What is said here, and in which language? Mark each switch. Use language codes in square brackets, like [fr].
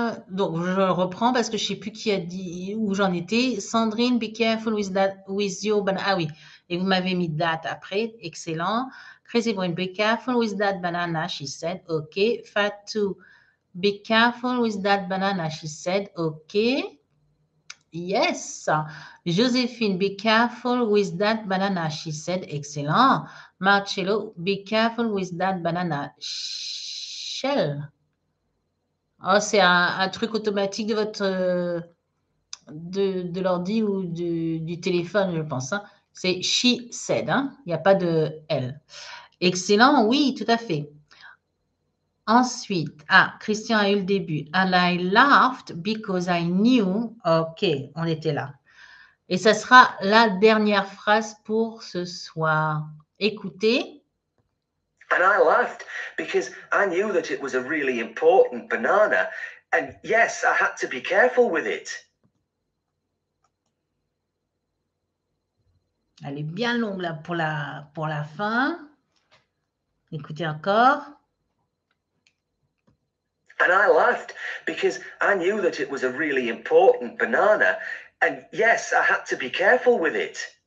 [fr] Donc, je reprends parce que je ne sais plus qui a dit où j'en étais. Sandrine, [en] be careful with that, with your banana. [fr] Ah oui, et vous m'avez mis that après. Excellent. [en] Crazy boy, be careful with that banana, she said. OK. Fatou, be careful with that banana, she said. OK. Yes. Joséphine, be careful with that banana, she said. Excellent. Marcello, be careful with that banana. Shell. [fr] Oh, c'est un truc automatique de de l'ordi ou du téléphone, je pense. Hein. C'est she said, hein. Il n'y a pas de elle. Excellent, oui, tout à fait. Ensuite, ah, Christian a eu le début. [en] And I laughed because I knew. OK, [fr] on était là. Et ça sera la dernière phrase pour ce soir. Écoutez. [en] And I laughed because I knew that it was a really important banana. And yes, I had to be careful with it. [fr] Elle est bien longue là pour la fin. Écoutez encore. [en] And I laughed because I knew that it was a really important banana. And yes, I had to be careful with it.